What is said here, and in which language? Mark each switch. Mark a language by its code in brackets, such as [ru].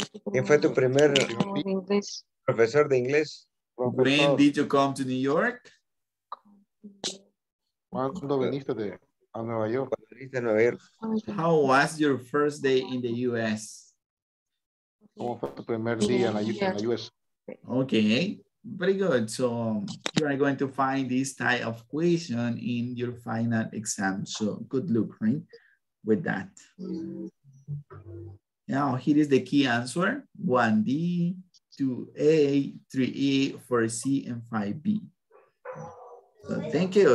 [es] ¿Quién fue tu primer profesor de inglés? [en] When did you come to New York? [es] ¿Cuándo viniste de a Nueva York? ¿Cuándo viniste a Nueva York? [en] How was your first day in the U.S.? [es] ¿Cómo fue tu primer día en la U.S.? [en] Okay. Very good. So you are going to find this type of question in your final exam. So good luck, right? With that. Now, here is the key answer. 1D, 2A, 3E, 4C, and 5B. So thank you.